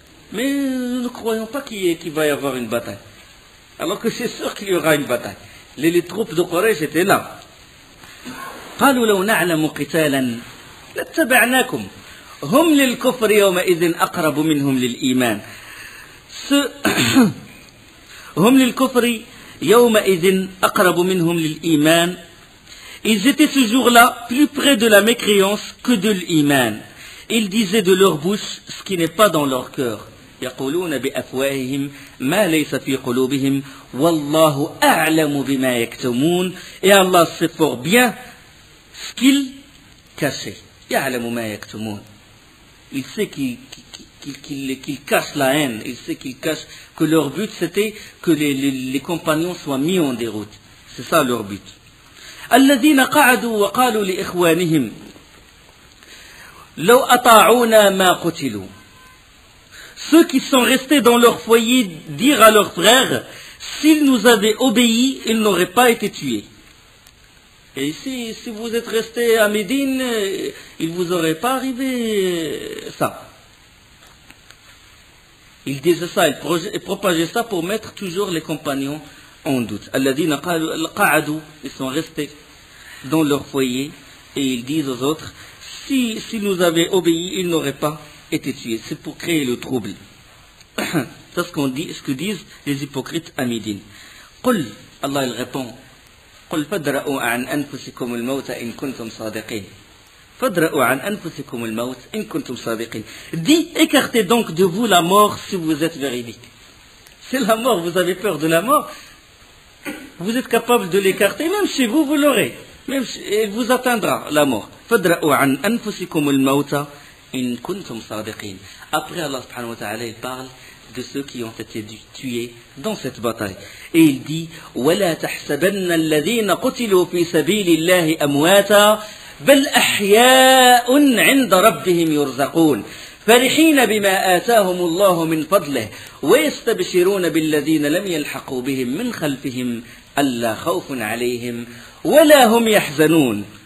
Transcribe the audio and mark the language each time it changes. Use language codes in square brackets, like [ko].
[fr] Mais nous ne croyons pas qu'il va y avoir une bataille. Alors que c'est sûr qu'il y aura une bataille. Les troupes de Quraysh étaient là. [ar] قالوا لو نعلم قتالا لاتبعناكم هم للكفر يومئذ اقرب منهم للايمان. هم للكفر يومئذ اقرب منهم للايمان. [fr] Ils étaient ce jour-là plus près de la mécréance que de l'iman. Ils disaient de leur bouche ce qui n'est pas dans leur cœur. [ar] يقولون بأفواههم ما ليس في قلوبهم والله أعلم بما يكتمون. [fr] Et Allah sait fort bien ce qu'il cache. [ar] يعلم ما يكتمون. [fr] Il sait qu'il cache la haine. Il sait qu'il cache que leur but c'était que les compagnons soient mis en déroute. C'est ça leur but. [ar] الذين قعدوا وقالوا لإخوانهم لو أطاعونا ما قتلوا. [fr] Ceux qui sont restés dans leur foyer dirent à leurs frères, s'ils nous avaient obéi, ils n'auraient pas été tués. Et si vous êtes restés à Médine, il ne vous aurait pas arrivé ça. Ils disaient ça, ils propageaient ça pour mettre toujours les compagnons en doute. Ils sont restés dans leur foyer et ils disent aux autres, s'ils nous avaient obéi, ils n'auraient pas été tué. C'est pour créer le trouble. C'est ce que disent les hypocrites à Médine. [ar] قل, [fr] Allah il répond, [ar] قل فدرأوا عن أنفسكم الموت إن كنتم صادقين. فدرأوا عن أنفسكم الموت إن كنتم صادقين. [fr] Dis, écartez donc de vous la mort si vous êtes véridique. C'est la mort, vous avez peur de la mort. Vous êtes capable de l'écarter, même chez vous, vous l'aurez. Même si elle vous atteindra, la mort. [ar] فدرأوا عن أنفسكم الموت إن كنتم صادقين. [fr] Après Allah subhanahu wa ta'ala, il parle de ceux qui ont été tués dans cette bataille. Et il dit, [ar] ولا تحسبن الذين قتلوا في سبيل الله أمواتا بل أحياء عند ربهم يرزقون فرحين بما آتاهم الله من فضله ويستبشرون بالذين لم يلحقوا بهم من خلفهم ألا خوف عليهم ولا هم يحزنون.